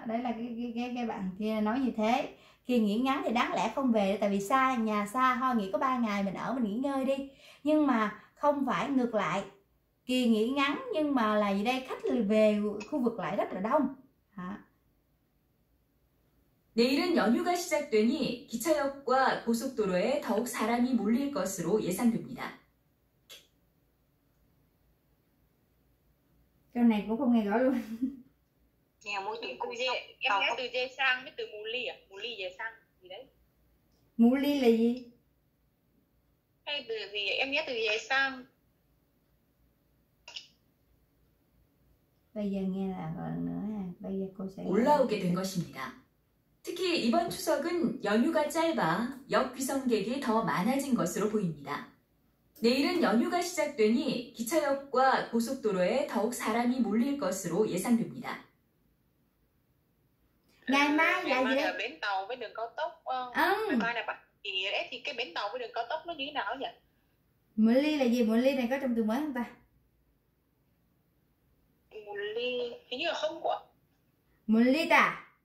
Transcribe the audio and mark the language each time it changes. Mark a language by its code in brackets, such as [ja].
[vi] Đấy là cái bạn kia nói như thế. Kỳ nghỉ ngắn thì đáng lẽ không về, tại vì xa nhà xa, thôi nghỉ có 3 ngày mình ở mình nghỉ ngơi đi. Nhưng mà không phải, ngược lại, kỳ nghỉ ngắn nhưng mà là gì đây, khách về khu vực lại rất là đông hả. [ko] 내일은 연휴가 시작되니 기차역과 고속도로에 더욱 사람이 몰릴 것으로 예상됩니다. [vi] Câu này cũng không nghe rõ luôn. Nghe mỗi từ cô dê, em nghe từ dê sang với từ mù ly à? Mù ly dê sang gì đấy? Mù ly là gì? Hay từ gì em nghe từ dê sang. Bây giờ nghe lại lần nữa ha. Bây giờ cô sẽ nghe. [ko] 올라오게 된 것입니다. 특히 이번 추석은 연휴가 짧아 역 귀성객이 더 많아진 것으로 보입니다. 내일은 연휴가 시작되니 기차역과 고속도로에 더욱 사람이 몰릴 것으로 예상됩니다. [vi] Ngày mai là gì mai đấy? là bến tàu với đường cao tốc. Ngày mai là bạn kỳ đấy, thì cái bến tàu với đường cao tốc nó như thế nào nhỉ? Mở ly là gì? Mở ly này có trong từ mới không ta? Mù ly hình như là không có. Mở ly ta?